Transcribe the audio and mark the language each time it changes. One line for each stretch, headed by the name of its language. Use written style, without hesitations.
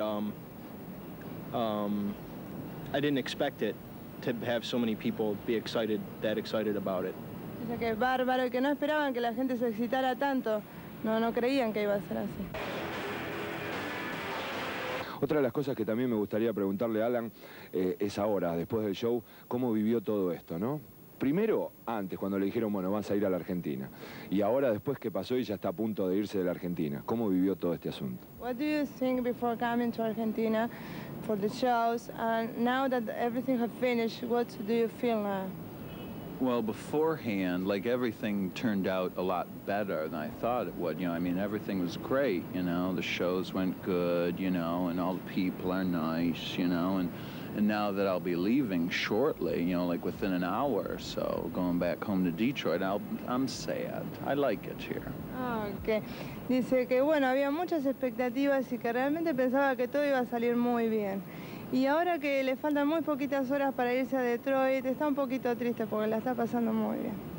English: I didn't expect it to have so many people be excited, that excited about it.
Spanish: Dice que es bárbaro y que no esperaban que la gente se excitara tanto. No creían que iba a ser así. Otra de las cosas que también me gustaría preguntarle a Alan es ahora, después del show, cómo vivió todo esto, ¿no? Primero, antes, cuando le dijeron, bueno, vas a ir a la Argentina. Y ahora, después, ¿qué pasó? Y ya está a punto de irse de la Argentina. ¿Cómo vivió todo este asunto?
English: What do you think before coming to Argentina for the shows? And now that everything has finished, what do you feel now? Well, beforehand, like, everything turned out a lot better than I thought it would. You know, I mean, everything was great, you know. The shows went good, you know, and all the people are nice, you know. And now that I'll be leaving shortly, you know, like within an hour or so, going back home to Detroit, I'm sad. I like it here. Ah, okay.
Spanish: Dice que, bueno, había muchas expectativas y que realmente pensaba que todo iba a salir muy bien. Y ahora que le faltan muy poquitas horas para irse a Detroit, está un poquito triste porque la está pasando muy bien.